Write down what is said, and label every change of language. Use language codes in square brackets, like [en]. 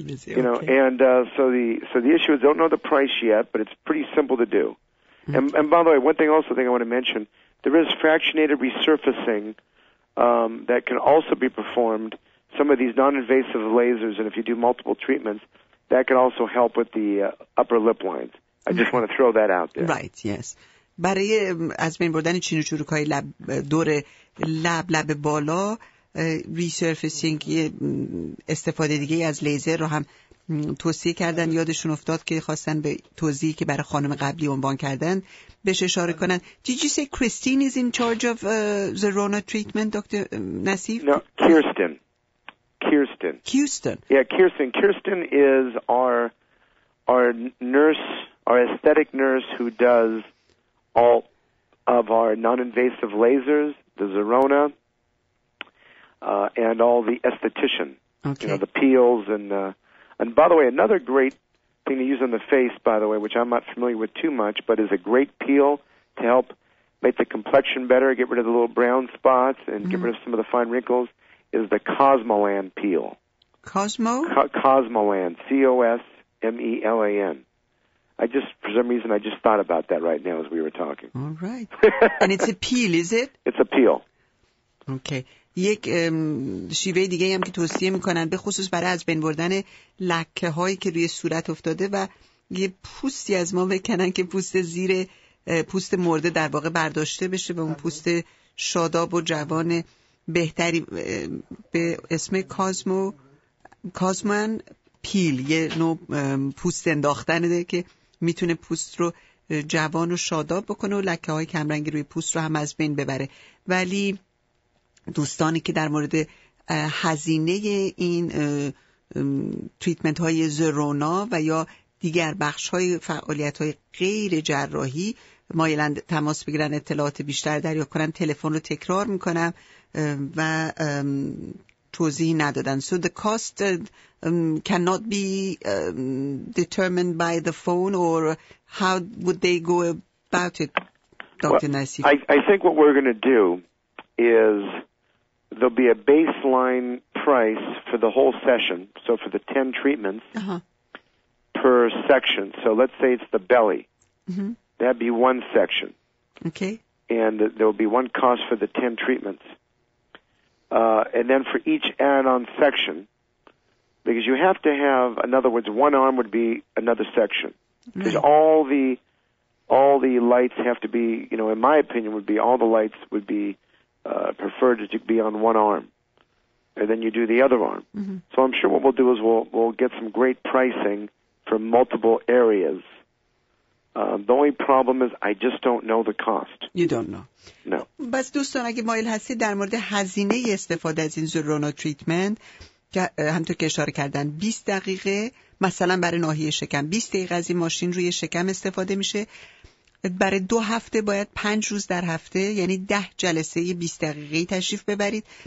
[en] You know, and so the issue is I don't know the price yet, but it's pretty simple to do. Mm-hmm. And by the way, one thing I want to mention, there is fractionated resurfacing that can also be performed. Some of these non-invasive lasers, and if you do multiple treatments, that can also help with the upper lip lines. I just want to throw that out there. Right, yes. [fa] برای از بین بردن چین و چروک‌های لب دور لب، لب بالا، ریسرفیسینگ، استفاده دیگه از لیزر رو هم توصیه کردن، یادشون افتاد که خواستن به توضیحی که برای خانم قبلی عنوان کردن بهش اشاره کنن. [en] Did you say Christine is in charge of the Rona treatment, Dr. Nassif? No, Kirsten. Kirsten. Kirsten. Yeah, Kirsten. Kirsten is our nurse, our aesthetic nurse who does all of our non-invasive lasers, the Zerona, and all the esthetician, okay. You know, the peels and and by the way, another great thing to use on the face, by the way, which I'm not familiar with too much, but is a great peel to help make the complexion better, get rid of the little brown spots, and mm-hmm. get rid of some of the fine wrinkles, is the Cosmolan peel. Cosmo? Cosmolan, C-O-S-M-E-L-A-N. I just, for some reason, I just thought about that right now as we were talking. All right. And it's a peel, is it? It's a peel. Okay. [fa] یک شیوه دیگه هم که توصیه میکنن به خصوص برای از بین بردن لکه هایی که روی صورت افتاده و یه پوستی از ما بکنن که پوست زیر پوست مرده در واقع برداشته بشه و اون پوست شاداب و جوان بهتری به اسم کازمو کازمان پیل، یه نوع پوست انداختن ده که میتونه پوست رو جوان و شاداب بکنه و لکه های کمرنگی روی پوست رو هم از بین ببره. ولی دوستانی که در مورد هزینه این تریتمنت های زرونا و یا دیگر بخش های فعالیت های غیر جراحی مایلند تماس بگیرن اطلاعات بیشتر دریافت کنن، تلفن رو تکرار میکنم و توضیح ندادن. [en] So the cost cannot be determined by the phone or how would they go about it, Dr. Nassif? I think what we're going to do is there'll be a baseline price for the whole session, so for the 10 treatments uh-huh. per section. So let's say it's the belly. Mm-hmm. That'd be one section. Okay. And there'll be one cost for the 10 treatments. And then for each add-on section, because you have to have, in other words, one arm would be another section. Because right. all the lights have to be, you know, in my opinion, would be all the lights would be preferred to be on one arm, and then you do the other arm. Mm-hmm. So I'm sure what we'll do is we'll get some great pricing for multiple areas. The only problem is I just don't know the cost. You don't know. No. [fa] بس دوستان اگه مایل هستید در مورد هزینه استفاده از این زرونا تریتمنت همطور که اشاره کردن 20 دقیقه مثلا برای ناحیه شکم 20 دقیقه از این ماشین روی شکم استفاده میشه. برای 2 هفته باید 5 روز در هفته یعنی 10 جلسه 20 دقیقه تشریف ببرید.